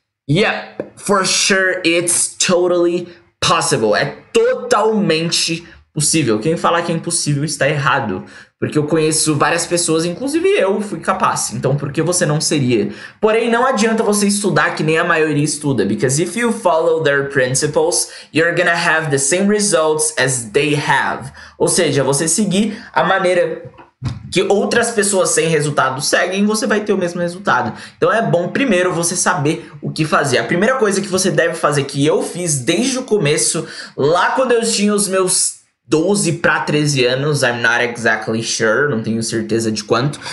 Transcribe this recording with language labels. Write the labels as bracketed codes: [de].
[en] Yeah, for sure it's totally possible. [pt] É totalmente possível. Quem falar que é impossível está errado. Porque eu conheço várias pessoas, inclusive eu fui capaz. Então, por que você não seria? Porém, não adianta você estudar que nem a maioria estuda. [en] Because if you follow their principles, you're gonna have the same results as they have. [pt] Ou seja, você seguir a maneira que outras pessoas sem resultado seguem, você vai ter o mesmo resultado. Então é bom primeiro você saber o que fazer. A primeira coisa que você deve fazer, que eu fiz desde o começo, lá quando eu tinha os meus 12 para 13 anos, [en] I'm not exactly sure, [pt] não tenho certeza de quanto.